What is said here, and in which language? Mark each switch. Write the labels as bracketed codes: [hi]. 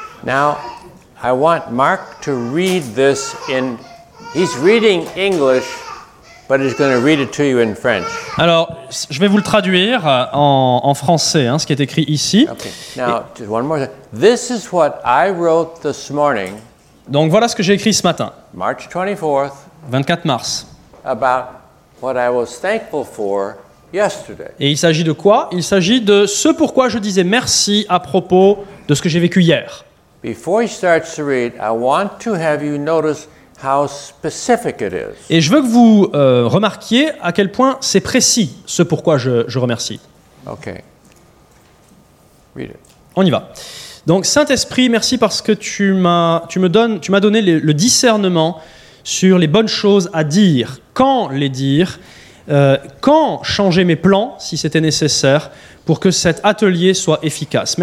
[en] Now, I want Mark to read this in. He's reading English, but he's going to read it to you in French. [fr] Alors, je vais vous le traduire en français, hein, ce qui est écrit ici. [en] Okay. Now, just one more thing. This is what I wrote this morning. [fr] Donc voilà ce que j'ai écrit ce matin. [en] March 24th. [fr] 24 mars. [en] About what I was thankful for yesterday. [fr] Et il s'agit de quoi? Il s'agit de ce pourquoi je disais merci à propos de ce que j'ai vécu hier. [en] Before he starts to read, I want to have you notice how specific it is. [fr] Et je veux que vous remarquiez à quel point c'est précis ce pourquoi je remercie. [en] Okay. Read it. [fr] On y va. Donc Saint-Esprit, merci parce que tu m'as donné le discernement sur les bonnes choses à dire, quand les dire, quand changer mes plans, si c'était nécessaire, pour que cet atelier soit efficace.